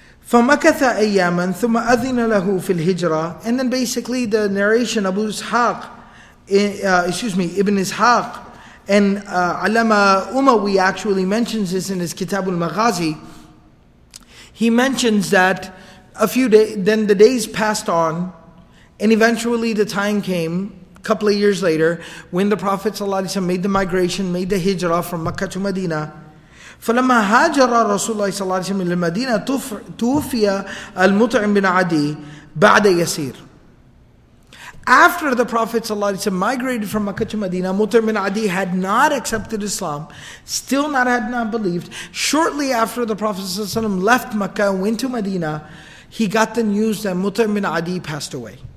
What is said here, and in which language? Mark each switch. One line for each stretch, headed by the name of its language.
Arabic: فَمَكَثَ أَيَّامًا ثُمَّ أَذِنَ لَهُ فِي الْهِجْرَةِ
English: And then basically the narration, Abu Ishaq, Ibn Ishaq, And Alama Umawi actually mentions this in his Kitab al-Maghazi. He mentions that a few days, then the days passed on, and eventually the time came, a couple of years later, when the Prophet ﷺ made the migration, made the hijrah from Makkah to Medina.
Arabic: فلما هاجر رسول الله صلى الله عليه وسلم للمدينة توفي المطعم بن عدي بعد يسير.
English: After the Prophet ﷺ migrated from Makkah to Medina, Mutar bin Adi had not accepted Islam, still not had not believed. Shortly after the Prophet ﷺ left Makkah and went to Medina, he got the news that Mutar bin Adi passed away.